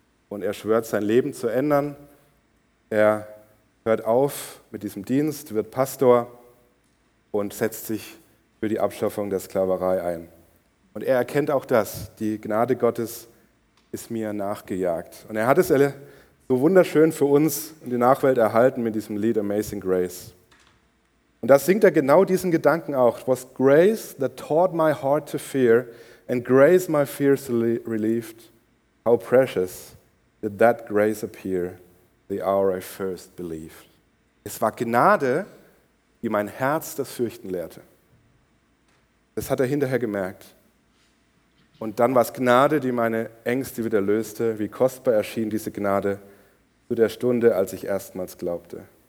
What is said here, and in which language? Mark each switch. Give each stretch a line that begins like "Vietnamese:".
German: Und er schwört, sein Leben zu ändern. Er hört auf mit diesem Dienst, wird Pastor und setzt sich für die Abschaffung der Sklaverei ein. Und er erkennt auch das, die Gnade Gottes ist mir nachgejagt. Und er hat es so wunderschön für uns und die Nachwelt erhalten mit diesem Lied Amazing Grace. Und da singt er genau diesen Gedanken auch.
English: It was grace that taught my heart to fear and grace my fears relieved. How precious did that grace appear the hour I first believed.
German: Es war Gnade, die mein Herz das Fürchten lehrte. Das hat er hinterher gemerkt. Und dann war es Gnade, die meine Ängste wieder löste. Wie kostbar erschien diese Gnade zu der Stunde, als ich erstmals glaubte.